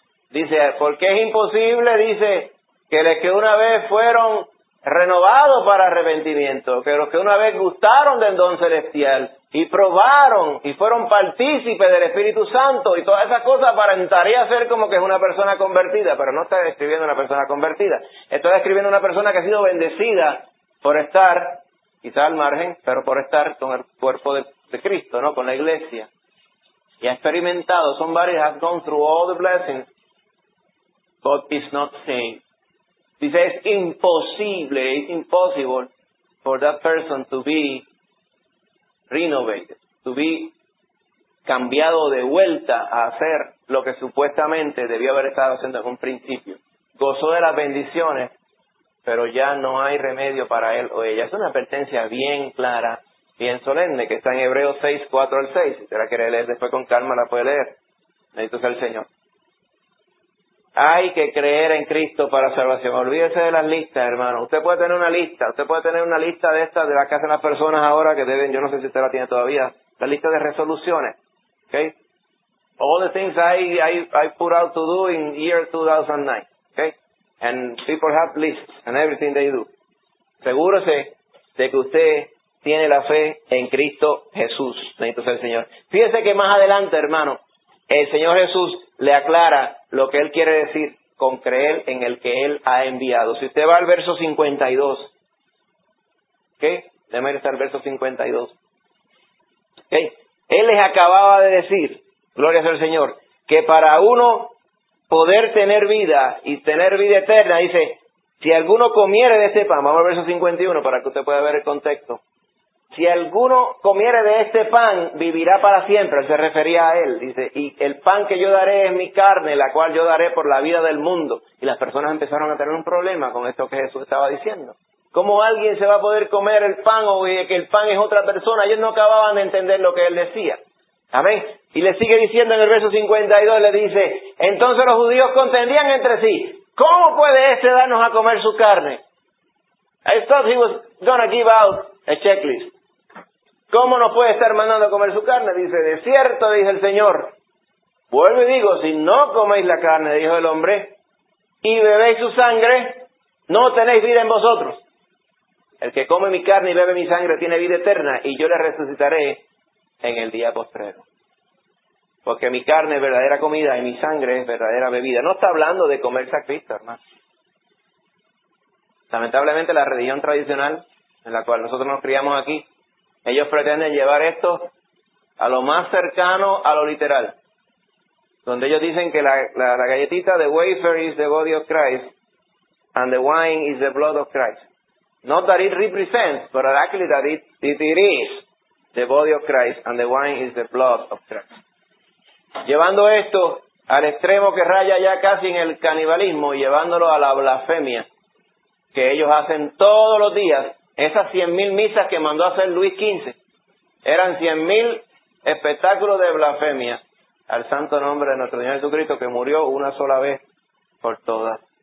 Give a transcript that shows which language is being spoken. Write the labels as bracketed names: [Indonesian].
[Spanish] Dice, porque es imposible, dice, que los que una vez fueron renovados para arrepentimiento, que los que una vez gustaron del don celestial y probaron y fueron partícipes del Espíritu Santo y todas esas cosas, aparentaría ser como que es una persona convertida, pero no está describiendo una persona convertida. Está describiendo una persona que ha sido bendecida por estar, quizá al margen, pero por estar con el cuerpo de Cristo, ¿no?, con la iglesia. Y ha experimentado, son varios, [English] has gone through all the blessings, but is not seen. [Spanish] Dice, es imposible, [English] it's impossible for that person to be [Spanish] renovated, to be cambiado de vuelta a hacer lo que supuestamente debió haber estado haciendo en un principio. Gozó de las bendiciones, pero ya no hay remedio para él o ella. Es una advertencia bien clara, bien solemne, que está en Hebreos 6, 4 al 6. Si usted la quiere leer después con calma, la puede leer. Bendito sea el Señor. Hay que creer en Cristo para salvación. Olvídese de las listas, hermano. Usted puede tener una lista. Usted puede tener una lista de estas, de las que hacen las personas ahora, que deben, yo no sé si usted la tiene todavía, la lista de resoluciones. [English] ¿Okay? All the things I put out to do in year 2009. ¿Okay? And people have lists and everything they do. [Spanish] Asegúrese de que usted tiene la fe en Cristo Jesús. Bendito sea el Señor. Fíjese que más adelante, hermano, el Señor Jesús le aclara lo que Él quiere decir con creer en el que Él ha enviado. Si usted va al verso 52, ¿qué? Déjame ir hasta el verso 52. ¿Okay? Él les acababa de decir, gloria sea al Señor, que para uno poder tener vida y tener vida eterna, dice, si alguno comiere de este pan, vamos al verso 51 para que usted pueda ver el contexto. Si alguno comiere de este pan, vivirá para siempre. Él se refería a él. Dice, y el pan que yo daré es mi carne, la cual yo daré por la vida del mundo. Y las personas empezaron a tener un problema con esto que Jesús estaba diciendo. ¿Cómo alguien se va a poder comer el pan o que el pan es otra persona? Ellos no acababan de entender lo que él decía. Amén. Y le sigue diciendo en el verso 52, le dice, entonces los judíos contendían entre sí. ¿Cómo puede este darnos a comer su carne? [English] I thought he was gonna give out a checklist. [Spanish] ¿Cómo nos puede estar mandando a comer su carne? Dice, de cierto, dice el Señor. Vuelvo y digo, si no coméis la carne, dijo el hombre, y bebéis su sangre, no tenéis vida en vosotros. El que come mi carne y bebe mi sangre tiene vida eterna, y yo le resucitaré en el día postrero. Porque mi carne es verdadera comida y mi sangre es verdadera bebida. No está hablando de comerse a Cristo, hermano. Lamentablemente la religión tradicional en la cual nosotros nos criamos aquí, ellos pretenden llevar esto a lo más cercano a lo literal. Donde ellos dicen que la galletita, [English] the wafer is the body of Christ, and the wine is the blood of Christ. Not that it represents, but actually that it is the body of Christ, and the wine is the blood of Christ. [Spanish] Llevando esto al extremo que raya ya casi en el canibalismo, y llevándolo a la blasfemia que ellos hacen todos los días, esas 100,000 misas que mandó a hacer Luis XV eran 100,000 espectáculos de blasfemia al santo nombre de nuestro Señor Jesucristo, que murió una sola vez por todas.